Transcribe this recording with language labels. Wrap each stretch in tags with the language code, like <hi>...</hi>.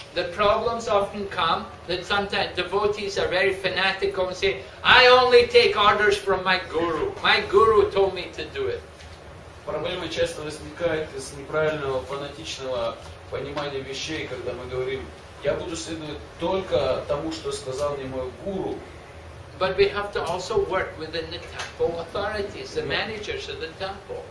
<en>The problems often come that sometimes devotees are very fanatical and say, I only take orders from my guru. My guru told me to do it.</en> <ru>Проблема часто возникает из неправильного фанатичного понимания вещей, когда мы говорим, я буду следовать только тому, что сказал мне мой гуру.</ru> <en>But we have to also work within the temple authorities, the managers of the temple.</en>